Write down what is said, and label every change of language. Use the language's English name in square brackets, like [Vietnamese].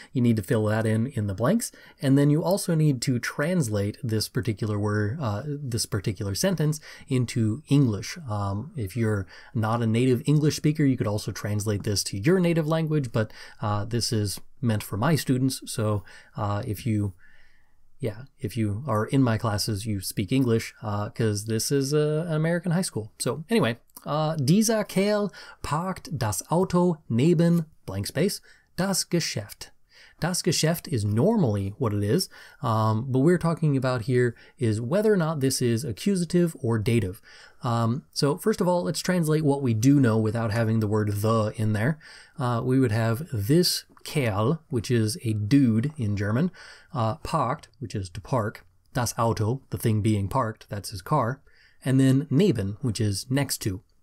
[English] You need to fill that in the blanks. And then you also need to translate this particular word, this particular sentence into English. If you're not a native English speaker, you could also translate this to your native language, but this is meant for my students. So if you are in my classes, you speak English, because this is an American high school. So anyway, [German] dieser Kerl parkt das Auto neben [English] blank space [German] das Geschäft. [English] Das Geschäft is normally what it is, but we're talking about here is whether or not this is accusative or dative. So first of all, let's translate what we do know without having the word the in there. We would have this Kerl, which is a dude in German, parked, which is to park, das Auto, the thing being parked, that's his car, and then neben, which is next to.